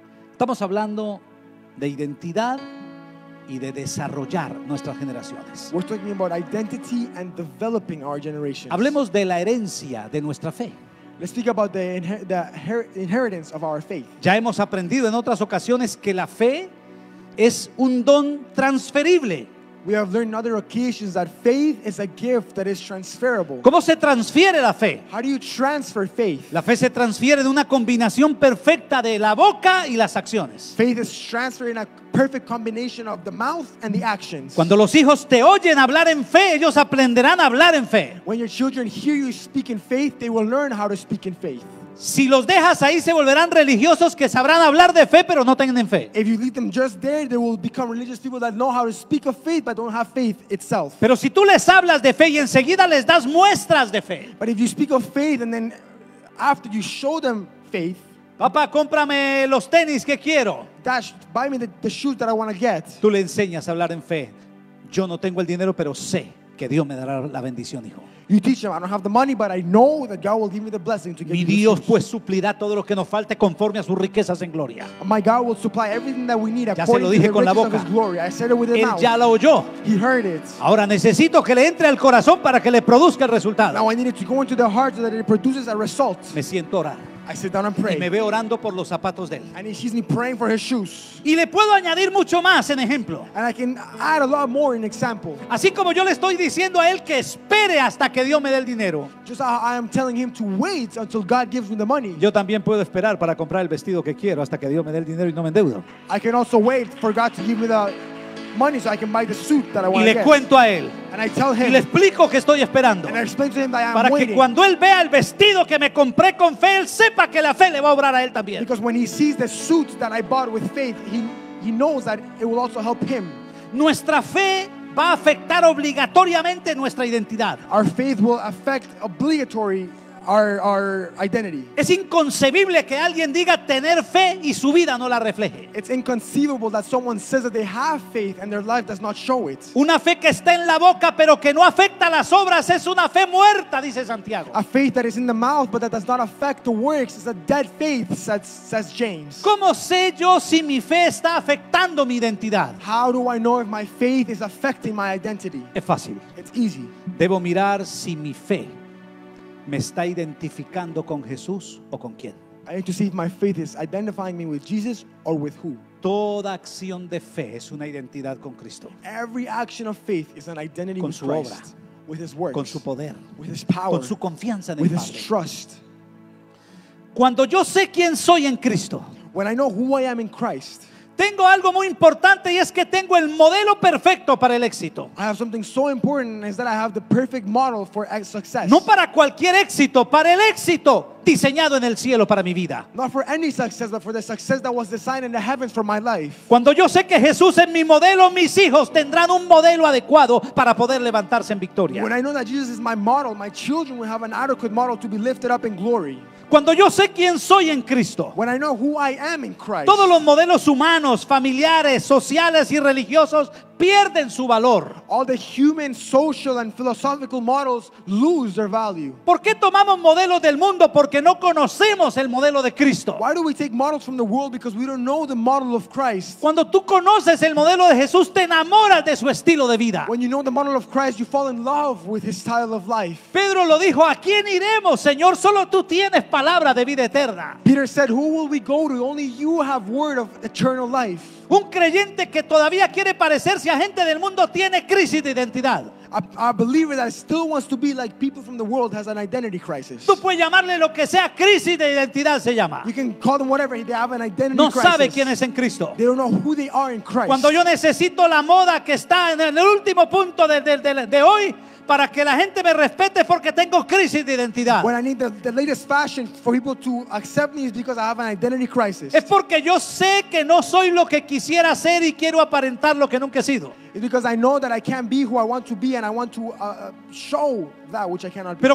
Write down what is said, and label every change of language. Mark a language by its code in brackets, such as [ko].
[es] Estamos hablando de identidad y de desarrollar nuestras generaciones. [en] We're talking about identity and developing our generations. [es] Hablemos de la herencia de nuestra fe. [en] Let's speak about the inheritance of our faith. [es] Ya hemos aprendido en otras ocasiones que la fe es un don transferible. [en] We have learned on other occasions that faith is a gift that is transferable. [es] ¿Cómo se transfiere la fe? [en] How do you transfer faith? [es] La fe se transfiere de una combinación perfecta de la boca y las acciones. [en] Faith is transferred in a perfect combination of the mouth and the actions. [es] Cuando los hijos te oyen hablar en fe, ellos aprenderán a hablar en fe. [en] When your children hear you speak in faith, they will learn how to speak in faith. [es] Si los dejas ahí, se volverán religiosos que sabrán hablar de fe, pero no tienen fe. [en] If you leave them just there, they will become religious people that know how to speak of faith, but don't have faith itself. [es] Pero si tú les hablas de fe y enseguida les das muestras de fe. [en] But if you speak of faith and then after you show them faith. [es] Papá, cómprame los tenis que quiero. [en] Dad, buy me the shoes that I want to get. Tú le enseñas a hablar en fe. [es] Yo no tengo el dinero, pero sé que Dios me dará la bendición, hijo. [en] You teach them, I don't have the money, but I know that God will give me the blessing to give [es] you. Mi Dios pues suplirá todo lo que nos falte conforme a sus riquezas en gloria. [en] My God will supply everything that we need according to the riches of His glory. I said it with [es] Él ya lo oyó. [en] He heard it. [es] Ahora necesito que le entre al corazón para que le produzca el resultado. [en] Now I need it to go into the heart so that it produces a result. [es] Me siento orar. [en] I sit down and pray. [es] Y me veo orando por los zapatos de él. [en] And he sees me praying for his shoes. [es] Y le puedo añadir mucho más en ejemplo. [en] And I can add a lot more in example. [es] Así como yo le estoy diciendo a él que espere hasta que Dios me dé el dinero. [en] Just how I am telling him to wait until God gives me the money. [es] Yo también puedo esperar para comprar el vestido que quiero hasta que Dios me dé el dinero y no me endeudo. [en] I can also wait for God to give me the money so I can buy the suit that I want. [es] Y le cuento a él. [en] And I tell him, [es] y le explico que estoy esperando. [en] And I explain to him that I am [es] para [en] waiting. [es] Que cuando él vea el vestido que me compré con fe, él sepa que la fe le va a obrar a él también. [en] Because when he sees the suit that I bought with faith, he knows that it will also help him. [es] Nuestra fe va a afectar obligatoriamente nuestra identidad. [en] Our faith will affect obligatory our identity. [es] Es inconcebible que alguien diga tener fe y su vida no la refleje. [en] It's inconceivable that someone says that they have faith and their life does not show it. [es] Una fe que está en la boca pero que no afecta las obras es una fe muerta, dice Santiago. [en] A faith that is in the mouth but that does not affect the works is a dead faith, says James. [es] ¿Cómo sé yo si mi fe está afectando mi identidad? [en] How do I know if my faith is affecting my identity? [es] Es fácil. [en] It's easy. [es] Debo mirar si mi fe me está identificando con Jesús o con quién. [en] I need to see if my faith is identifying me with Jesus or with who. [es] Toda acción de fe es una identidad con Cristo. [en] Every action of faith is an identity [es] con [en] with Christ. [es] Obra, [en] with His works. [es] Con su poder. [en] With His power. [es] Con su confianza en [en] with [es] el [en] His [es] Padre. [en] Trust. [es] Cuando yo sé quién soy en Cristo. [en] When I know who I am in Christ. [es] Tengo algo muy importante y es que tengo el modelo perfecto para el éxito. [en] I have something so important is that I have the perfect model for success. [es] No para cualquier éxito, para el éxito diseñado en el cielo para mi vida. [en] Not for any success, but for the success that was designed in the heavens for my life. [es] Cuando yo sé que Jesús es mi modelo, mis hijos tendrán un modelo adecuado para poder levantarse en victoria. [en] When I know that Jesus is my model, my children will have an adequate model to be lifted up in glory. [es] Cuando yo sé quién soy en Cristo. [en] When I know who I am in Christ. [es] Todos los modelos humanos, familiares, sociales y religiosos pierden su valor. [en] All the human, social and philosophical models lose their value. [es] ¿Por qué tomamos modelos del mundo? Porque no conocemos el modelo de Cristo. [en] Why do we take models from the world? Because we don't know the model of Christ. [es] Cuando tú conoces el modelo de Jesús, te enamoras de su estilo de vida. [en] When you know the model of Christ, you fall in love with his style of life. [es] Pedro lo dijo, ¿a quién iremos, Señor? Solo tú tienes palabra de vida eterna. [en] Peter said, who will we go to? Only you have word of eternal life. [es] Un creyente que todavía quiere parecerse a gente del mundo tiene crisis de identidad. [en] a believer that still wants to be like people from the world has an identity crisis. [es] Tú puedes llamarle lo que sea, crisis de identidad se llama. [en] You can call them whatever, they have an identity [es] no [en] crisis. [es] No sabe quién es en Cristo. [en] They don't know who they are in Christ. [es] Cuando yo necesito la moda que está en el último punto de hoy para que la gente me respete porque tengo crisis de identidad. [en] When I need the latest fashion for people to accept me is because I have an identity crisis. [es] Es porque yo sé que no soy lo que quisiera ser y quiero aparentar lo que nunca he sido. [en] It's because I know that I can't be who I want to be and I want to show that which I cannot be.